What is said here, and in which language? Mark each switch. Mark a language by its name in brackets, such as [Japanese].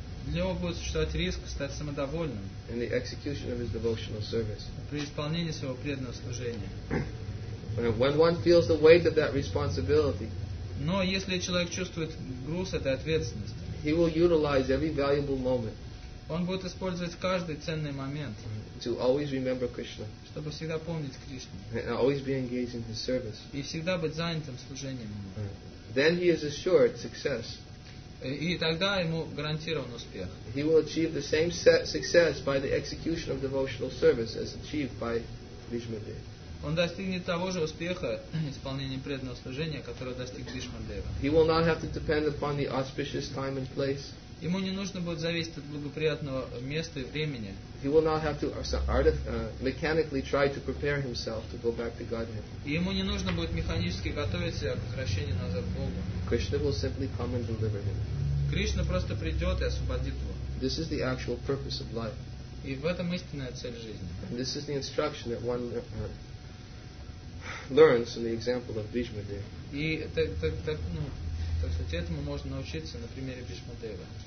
[Russian] Для него будет существовать риск стать самодовольным [English] in the execution of his devotional service. [Russian] При исполнении своего преданного служения. [English] When one feels the weight of that responsibility, [Russian] но если человек чувствует груз этой ответственности, [English] he will utilize every valuable moment, [Russian] он будет использовать каждый ценный момент, [English] to always remember Krishna, [Russian] чтобы всегда помнить Кришну, [English] and always be engaged in his service. [Russian] И всегда быть занятым служением. [English] Then he is assured success. [Russian] И тогда ему гарантирован успех. [English] He will achieve the same success by the execution of devotional service as achieved by Bhishmadev. [Russian] Он достигнет того же успеха исполнением преданного служения, которое достиг Бхишмадева. [English] He will not have to depend upon the auspicious time and place. [Russian] Ему не нужно будет зависеть от благоприятного места и времени. [English] He will not have to mechanically try to prepare himself to go back to Godhead. [Russian] И ему не нужно будет механически готовить себя к возвращению назад к Богу. [English] Krishna will simply come and deliver him. [Russian] Кришна просто придет и освободит его. [English] This is the actual purpose of life. [Russian] И в этом истинная цель жизни. [English] And this is the instruction that one learns from the example of Bhishmadev. [Russian] И так ну. То есть этому можно научиться на примере Бхишмадева.